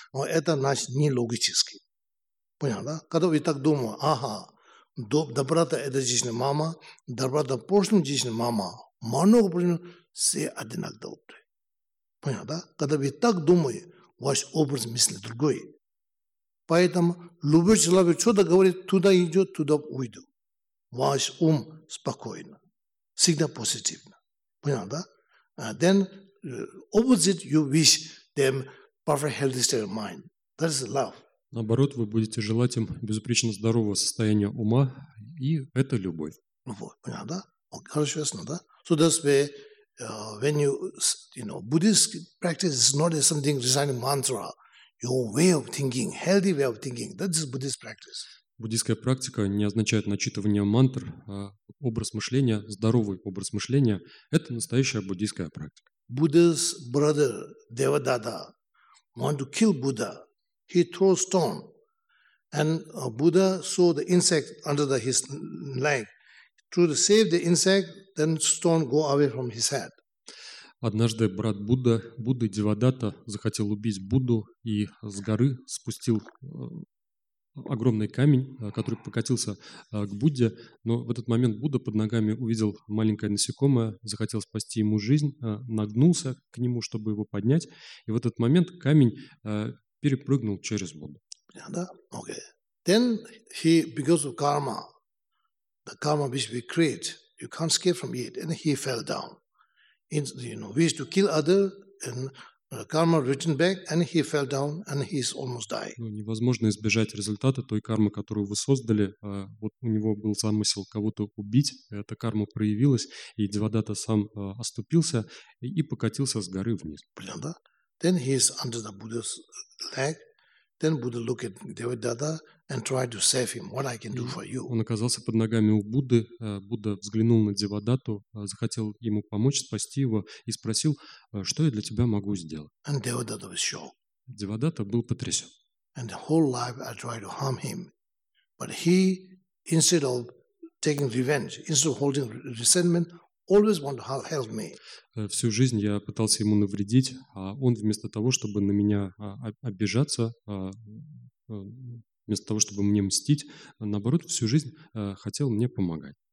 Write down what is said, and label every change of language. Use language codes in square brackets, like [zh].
[ru] Но это, значит, нелогически. Понял, да? Когда вы так думаете, ага, доброта – это жизнь мама, доброта – прошлая жизнь мама, много причин, все одинаково добрые. Понял, да? Когда вы так думаете, ваш образ мысли другой. Поэтому любой человек что-то говорит, туда идет, туда уйду. Ваш ум спокойно, всегда позитивно. Понял, да? [en] Then opposite you wish them perfect healthy state of mind. That is love. [ru] Наоборот, вы будете желать им безупречно здорового состояния ума, и это любовь. Ну вот, понял, да? Хорошо, ясно, да? [en] So that's where, when you, you know, Buddhist practice is not something designing mantra. Your way of thinking, healthy way of thinking, that is Buddhist practice. [ru] Буддийская практика не означает начитывание мантр, а образ мышления, здоровый образ мышления. Это настоящая буддийская практика. [en] Buddha's brother, Devadatta, want to kill Buddha. He threw stone, and Buddha saw the insect under the, his leg. To save the insect, then stone go away from his head. [ru] Однажды брат Будда, Будда Девадатта, захотел убить Будду и с горы спустил огромный камень, который покатился к Будде. Но в этот момент Будда под ногами увидел маленькое насекомое, захотел спасти ему жизнь, нагнулся к нему, чтобы его поднять. И в этот момент камень перепрыгнул через Будду. [en] Yeah, [ru] да? [en] Okay. Then he, because of karma, the karma which we create, you can't escape from it, and he fell down. In, you know, we used to kill other, and karma written back, and he fell down, and he's almost died. [ru] Ну, невозможно избежать результата той кармы, которую вы создали. Вот у него был замысел кого-то убить, эта карма проявилась, и Девадатта сам оступился и покатился с горы вниз. Понял, да? [en] Then he is under the Buddha's leg. Then Buddha look at Devadatta and try to save him. What I can do for you? [ru] Он оказался под ногами у Будды. Будда взглянул на Девадатту, захотел ему помочь, спасти его и спросил, что я для тебя могу сделать. [en] And Devadatta was shocked. [ru] Девадатта был потрясен. [en] And the whole life I tried to harm him, but he, instead of taking revenge, instead of holding resentment. Always want to help me. [ru] Всю жизнь я пытался ему навредить, а он вместо того, чтобы на меня обижаться, вместо того, чтобы мне мстить, наоборот, всю жень хотел мне помогать.